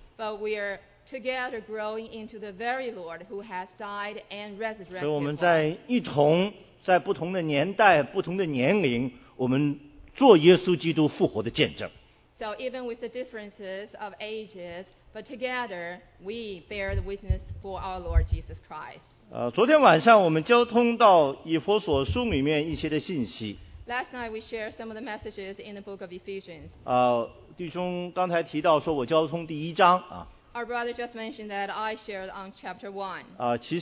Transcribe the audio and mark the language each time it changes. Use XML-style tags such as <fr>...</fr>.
<en>But we are together growing into the very Lord who has died and resurrected.</en> <zh>所以我们在不同的年代，不同的年龄。我们做耶稣基督复活的见证。</zh> <en>So even with the differences of ages, but together we bear the witness for our Lord Jesus Christ.</en> <zh>昨天晚上我们交通到以弗所书里面一些的信息。</zh> <en>Last night we shared some of the messages in the book of Ephesians.</en> <zh>弟兄刚才提到说我交通第一章。</zh> <en>Our brother just mentioned that I shared on chapter 1.</en>